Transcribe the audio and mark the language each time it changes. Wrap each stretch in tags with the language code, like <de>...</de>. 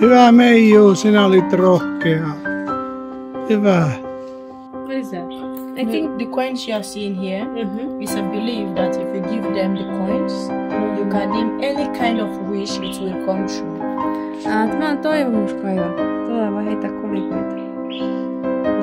<fi>Hyvä Meiju, sinä olit rohkea. Hyvä.</fi> <en>What is that? I think the coins you are seeing here, is a belief that if you give them the coins, you can name any kind of wish it will come true.</en> <fi>Tämä on toivomuskaiva. Tulee vaan heittää kolikoita.</fi>